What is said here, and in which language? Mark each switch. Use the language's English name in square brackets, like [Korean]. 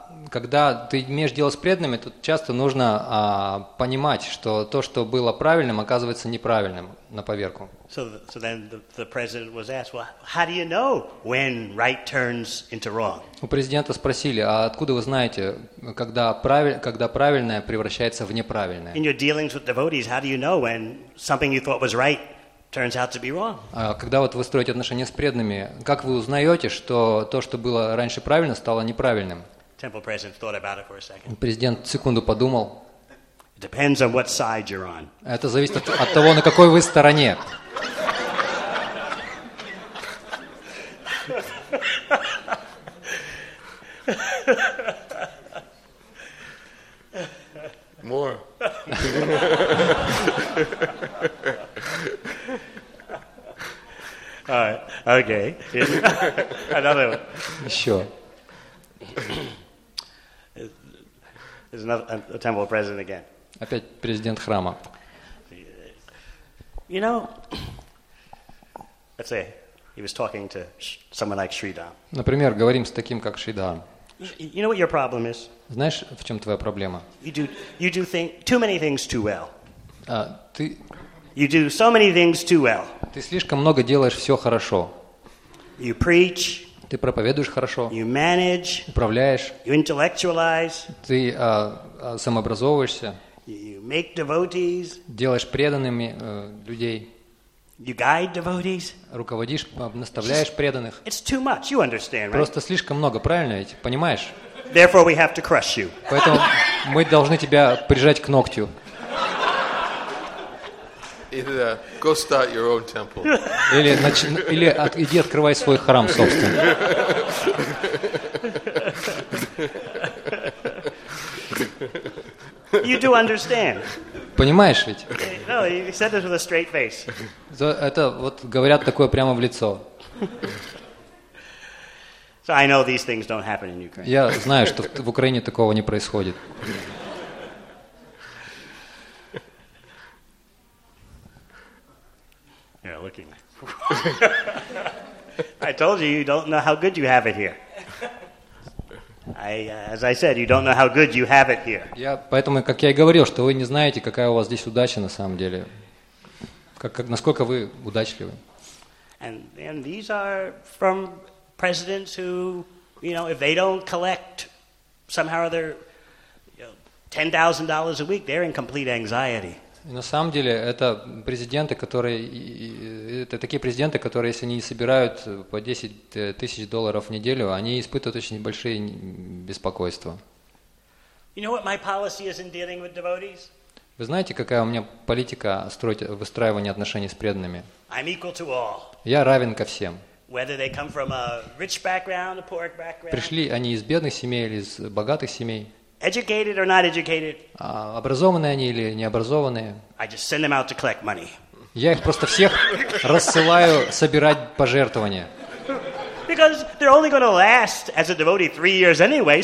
[Russian] Когда ты имеешь дело с преданными, тут часто нужно понимать, что то, что было правильным, оказывается неправильным на поверку. [English] So then the president was asked, well, how do you know when right turns into wrong? [Russian] У президента спросили, а откуда вы знаете, когда правильное превращается в неправильное? [English] In your dealings with devotees, how do you know when something you thought was right turns out to be wrong? [Russian] Когда вот вы строите отношения с преданными, как вы узнаете, что то, что было раньше правильно, стало неправильным? [English] Temple president thought about it for a second. [Russian] Президент секунду подумал. [English] It depends on what side you're on. [Russian] Это зависит от того, на какой вы стороне. [English] More. All Okay. Another one. Sure. There's another a temple president again. [Russian] Опять президент храма. [English] You know, let's say he was talking to someone like Sridhar. [Russian] Например, говорим с таким, как Шридхар. [English] You know what your problem is? [Russian] Знаешь, в чём твоя проблема? [English] You do think too many things too well. [Russian] Ты [English] You do so many things too well. [Russian] Ты слишком много делаешь всё хорошо. [English] You preach. [Russian] Ты проповедуешь хорошо. [English] You manage. [Russian] Управляешь. [English] You intellectualize. [Russian] Ты самообразовываешься. [English] You make devotees. [Russian] Делаешь преданными людей. [English] You guide devotees. [Russian] Руководишь, наставляешь преданных. [English] It's too much. You understand, right? [Russian] Просто слишком много, правильно ведь? Понимаешь? [English] Therefore, we have to crush you. [Russian] Поэтому мы должны тебя прижать к ногтю. [English] Either go start your own temple. [Russian] Или или иди открывай свой храм собственный. [English] You do understand. [Russian] Понимаешь ведь? [English] No, he said it with a straight face. [Russian] Это вот говорят такое прямо в лицо. [English] So I know these things don't happen in Ukraine. [Russian] Я знаю, что в Украине такого не происходит. [English] Yeah, looking. I told you, you don't know how good you have it here. As I said, you don't know how good you have it here. [Russian] Я поэтому, как я и говорил, что вы не знаете, какая у вас здесь удача на самом деле, как насколько вы удачливы. [English] And these are from presidents who, you know, if they don't collect somehow or other, you know, $10,000 a week, they're in complete anxiety. [Russian] И на самом деле это президенты, которые это такие президенты, которые если они не собирают по 10 тысяч долларов в неделю, они испытывают очень большие беспокойства. [English] You know what my policy is in dealing with devotees? [Russian] Вы знаете, какая у меня политика выстраивания отношений с преданными? [English] I'm equal to all. [Russian] Я равен ко всем. [English] Whether they come from a rich background, a poor background. [Russian] Пришли они из бедных семей или из богатых семей. [English] Educated or not educated? [Russian] Образованные они или необразованные? [English] I just send them out to collect money. [Russian] Я их просто всех рассылаю собирать пожертвования. [English] Because they're only going to last as a devotee 3 years anyway.